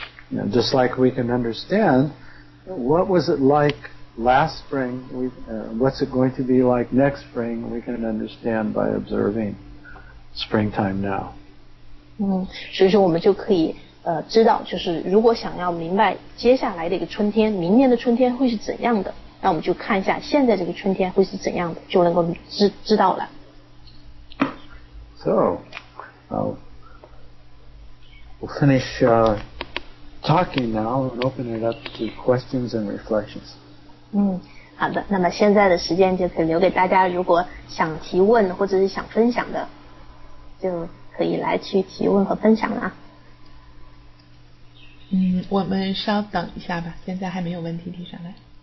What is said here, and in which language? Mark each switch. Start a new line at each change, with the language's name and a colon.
English: Now, just like we can understand what was it like last spring, what's it going to be like next spring, we can understand by observing springtime now.
Chinese: 所以说我们就可以知道，就是如果想要明白接下来的一个春天，明年的春天会是怎样的，那我们就看一下现在这个春天会是怎样的，就能够知道了。
English: So, we'll finish talking now and open it up to questions and reflections.
Chinese: 好的，那么现在的时间就可以留给大家，如果想提问或者是想分享的，就可以来去提问和分享了。我们稍等一下吧，现在还没有问题提上来。